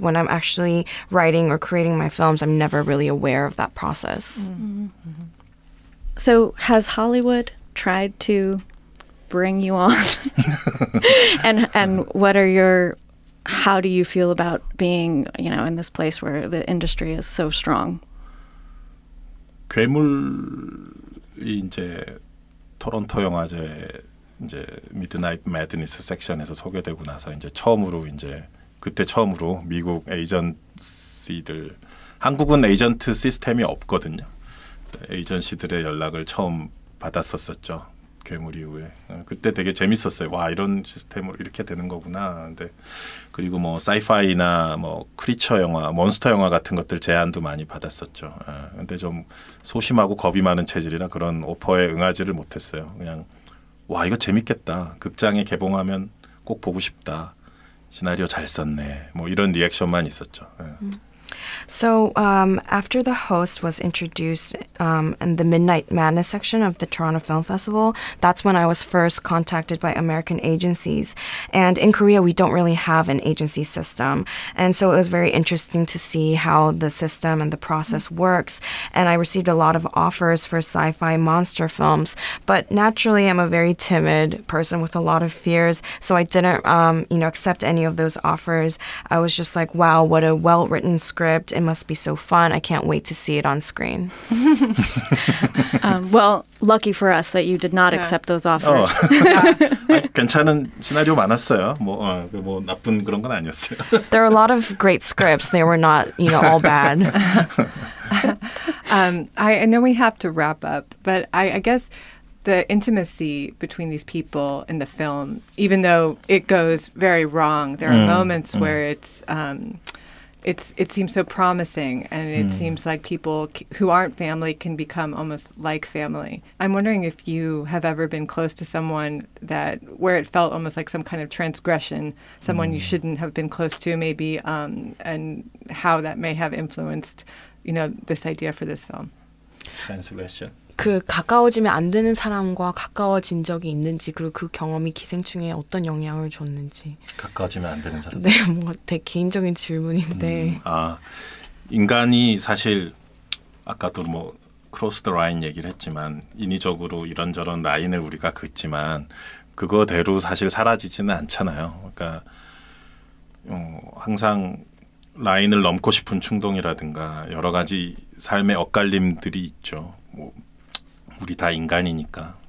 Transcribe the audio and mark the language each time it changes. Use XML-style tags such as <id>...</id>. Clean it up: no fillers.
<en>When I'm actually writing or creating my films, I'm never really aware of that process. Mm-hmm. So has Hollywood tried to bring you on? and what are your, how do you feel about being, you know, in this place where the industry is so strong?</en> <ko>괴물이 이제 토론토 영화제 이제 미드나이트 매드니스 섹션에서 소개되고 나서 이제 처음으로 이제 그때 처음으로 미국 에이전시들 한국은 에이전트 시스템이 없거든요. 에이전시들의 연락을 처음 받았었었죠. 괴물 이후에 그때 되게 재밌었어요. 와 이런 시스템으로 이렇게 되는 거구나. 근데 그리고 뭐 사이파이나 뭐 크리처 영화, 몬스터 영화 같은 것들 제안도 많이 받았었죠. 근데 좀 소심하고 겁이 많은 체질이라 그런 오퍼에 응하지를 못했어요. 그냥 와 이거 재밌겠다. 극장에 개봉하면 꼭 보고 싶다. 시나리오 잘 썼네. 뭐 이런 리액션만 있었죠.</ko> <en>So after the host was introduced in the Midnight Madness section of the Toronto Film Festival, that's when I was first contacted by American agencies. And in Korea, we don't really have an agency system. And so it was very interesting to see how the system and the process works. And I received a lot of offers for sci-fi monster films. But naturally, I'm a very timid person with a lot of fears. So I didn't accept any of those offers. I was just like, wow, what a well-written script. It must be so fun. I can't wait to see it on screen. Well, lucky for us that you did not accept those offers.</en> <ko>괜찮은 시나리오 많았어요. 뭐 나쁜 그런 건 아니었어요.</ko> <en>There are a lot of great scripts. They were not, all bad. I know we have to wrap up, but I guess the intimacy between these people in the film, even though it goes very wrong, there are moments where it's... It seems so promising, and it seems like people who aren't family can become almost like family. I'm wondering if you have ever been close to someone that where it felt almost like some kind of transgression, someone you shouldn't have been close to, maybe, and how that may have influenced, this idea for this film. Transgression.</en> <ko>그 가까워지면 안 되는 사람과 가까워진 적이 있는지 그리고 그 경험이 기생충에 어떤 영향을 줬는지 가까워지면 안 되는 사람 네, 뭔가 되게 개인적인 질문인데 인간이 사실 아까도 뭐</ko> <en>크로스 더 라인</en> <ko>얘기를 했지만 인위적으로 이런저런 라인을 우리가 긋지만 그거대로 사실 사라지지는 않잖아요 그러니까 항상 라인을 넘고 싶은 충동이라든가 여러 가지 삶의 엇갈림들이 있죠 뭐 우리 다 인간이니까.</ko>